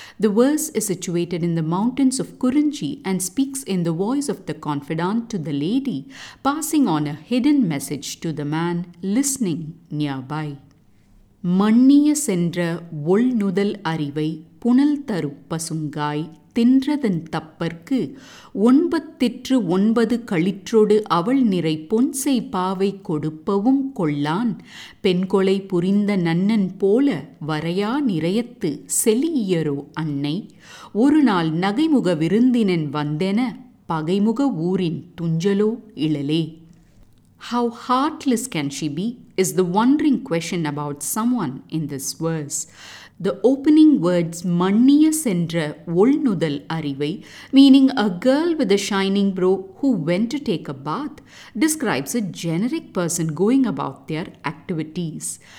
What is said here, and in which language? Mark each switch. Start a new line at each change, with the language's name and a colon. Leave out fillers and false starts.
English: The verse is situated in the mountains of Kurunji and speaks in the voice of the confidant to the lady, passing on a hidden message to the man listening nearby.
Tamil: மண்ணிய சென்ற ஒள்நுதல் அறிவை புனல் தரு பசுங்காய் தின்றதன் தப்பர்க்கு ஒன்பத்திற்று ஒன்பது களிற்றொடு அவள் நிறை பொன்சை பாவை கொடுப்பவும் கொள்ளான் பெண்கொலை புரிந்த நன்னன் போல வரையா நிறையத்து செலியரோ அன்னை ஒரு நாள் நகைமுக விருந்தினன் வந்தென பகைமுக ஊரின் துஞ்சலோ இழலே.
English: How heartless can she be is the wondering question about someone in this verse. The opening words
Tamil: "manniya sendra olnudal arivai,"
English: meaning a girl with a shining brow who went to take a bath, describes a generic person going about their activities.